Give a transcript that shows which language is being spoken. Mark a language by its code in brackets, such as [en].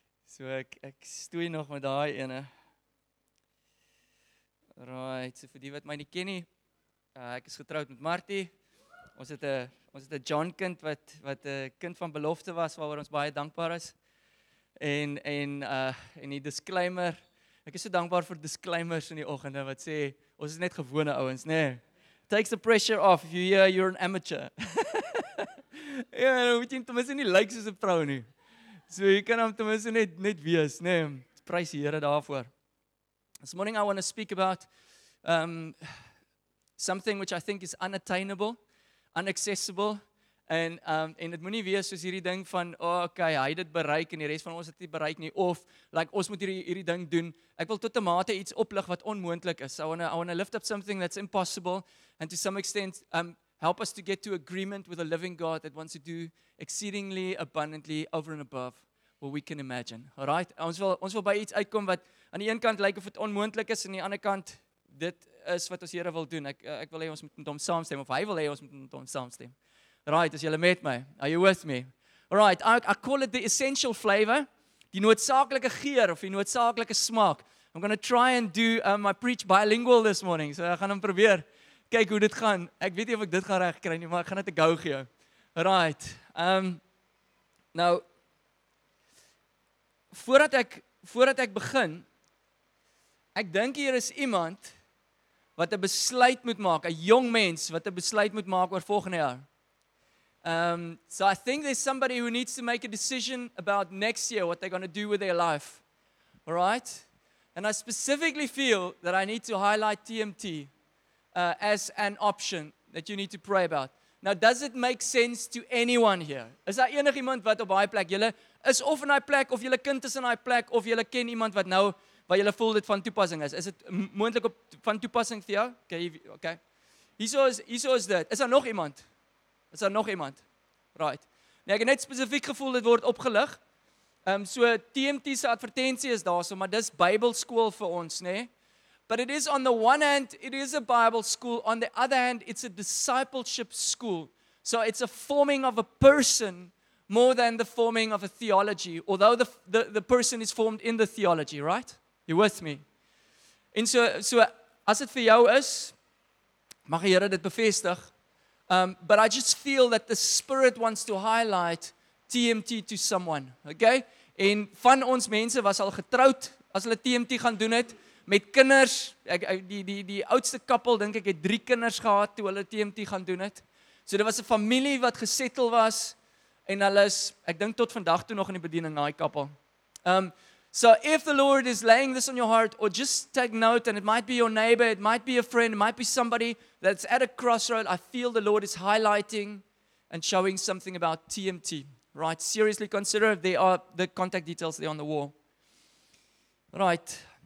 [af] So ek stoei nog met daai ene. Right, so vir die wat my nie ken nie, ek is getroud met Marty. Ons het 'n John kind wat 'n kind van belofte was waaroor ons baie dankbaar is. En die disclaimer, ek is so dankbaar vir disclaimers in die oggende wat sê ons is net gewone ouens, né? [en] Takes the pressure off if you hear you're an amateur. [af] Ja, nou weet jy, ten minste nie lyk soos 'n vrou nie. So jy kan hom ten minste net wees, né? Prys die Here daarvoor. [en] This morning I want to speak about something which I think is unattainable, inaccessible, and [af] dit moenie wees soos hierdie ding van okay, hy het dit bereik en die res van ons het dit nie bereik nie, of like ons moet hierdie ding doen. Ek wil tot 'n mate iets oplig wat onmoontlik is. [en] I want to lift up something that's impossible and to some extent help us to get to agreement with a living God that wants to do exceedingly abundantly over and above what we can imagine. [af] All right? Ons wil by iets uitkom wat aan die een kant lyk of dit onmoontlik is en aan die ander kant dit is wat ons Here wil doen. Ek wil hê ons moet met hom saamstem, of hy wil hê ons moet met hom saamstem. Right, is julle met my? [en] Are you with me? All right, I call it the essential flavor, [af] die noodsaaklike geur of die noodsaaklike smaak. [en] I'm going to try and do my preach bilingual this morning. [af] So ek gaan hom probeer. Kyk hoe dit gaan. Ek weet nie of ek dit gaan reg kry nie, maar ek gaan dit 'n go gee. Right. Nou voordat ek begin, ek dink hier is iemand wat 'n besluit moet maak, 'n jong mens wat 'n besluit moet maak oor volgende jaar. [en] So I think there's somebody who needs to make a decision about next year, what they're going to do with their life. All right? And I specifically feel that I need to highlight TMT as an option that you need to pray about. Now, does it make sense to anyone here? [af] Is daar enig iemand wat op daai plek? Julle is of in daai plek, of julle kind is in daai plek, of julle ken iemand wat nou, wat julle voel dit van toepassing is. Is dit moontlik op van toepassing vir jou? Okay. Hieso is dit. Is daar nog iemand? Is daar nog iemand? Right. Nee, ek het net spesifiek gevoel dit word opgelig. So TMT se advertensie is daar, so maar dis Bybelskool vir ons, né? Nee? [en] But it is on the one hand, it is a Bible school. On the other hand, it's a discipleship school. So it's a forming of a person more than the forming of a theology. Although the person is formed in the theology, right? You with me? [af] En so as dit vir jou is, mag die Here dit bevestig. [en] But I just feel that the Spirit wants to highlight TMT to someone, okay? [af] En van ons mense was al getroud as hulle TMT gaan doen het met kinders. Die oudste koppel dink ek het 3 kinders gehad toe hulle TMT gaan doen het. So dit was 'n familie wat gesettel was en hulle is, ek dink tot vandag toe nog in die bediening daai koppel. [en] So if the Lord is laying this on your heart, or just take note, and it might be your neighbor, it might be a friend, it might be somebody that's at a crossroad, I feel the Lord is highlighting and showing something about TMT. Right? Seriously consider, they are the contact details there on the wall. Right.